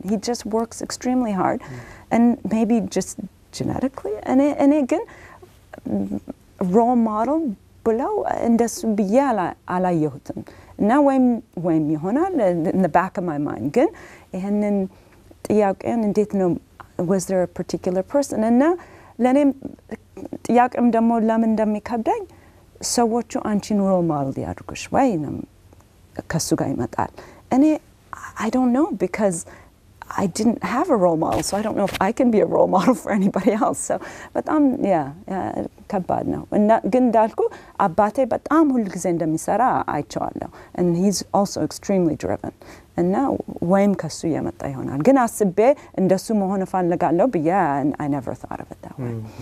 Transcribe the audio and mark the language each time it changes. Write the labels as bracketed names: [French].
[English] He just works extremely hard. And maybe just genetically. [Amharic] እኔ ግን role model ብለው እንደሱ ብዬ አላየሁትም። እና ወይም ይሆናል [English] in the back of my mind. [Amharic] ግን ይህንን ጥያቄን እንዴት ነው [English] was there a particular person? [Amharic] እና ለኔ ጥያቄም ደግሞ ለምን እንደሚከብደኝ ሰዎቹ አንቺን ሮል ማድል ያድርጉሽ ወይ ነው ከሱ ጋር ይመጣል። እኔ [English] I don't know because I didn't have a role model, so I don't know if I can be a role model for anybody else. [Amharic] So, በጣም ከባድ ነው። እና ግን እንዳልኩ አባቴ በጣም ሁልጊዜ እንደሚሰራ አይቼዋለሁ። [English] And he's also extremely driven. [Amharic] እና ወይም ከሱ የመጣ ይሆናል። ግን አስቤ እንደሱ መሆን ፈልጋለሁ ብዬ [English] I never thought of it that way.